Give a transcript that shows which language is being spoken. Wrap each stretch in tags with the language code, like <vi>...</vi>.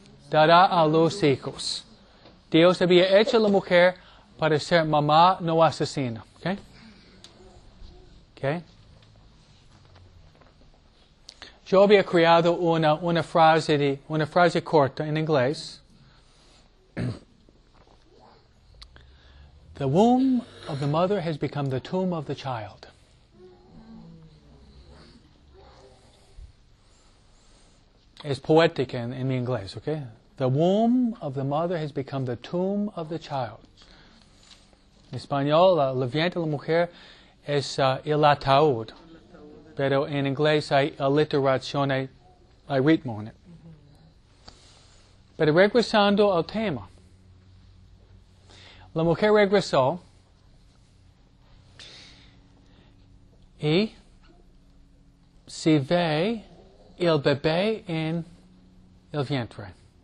<es>Dará a los hijos. Dios había hecho a la mujer para ser mamá, no asesina. ¿Ok? ¿Ok? Yo había creado una frase corta en inglés.</es> <en>The womb of the mother has become the tomb of the child.</en> <es>Es poética en mi inglés, ¿ok?</es> <en>The womb of the mother has become the tomb of the child.</en> <es>En español, el vientre de la mujer es el ataúd. Pero en inglés hay aliteración, hay ritmo en él. Pero regresando al tema. La mujer regresó y se ve el bebé en el vientre.</es>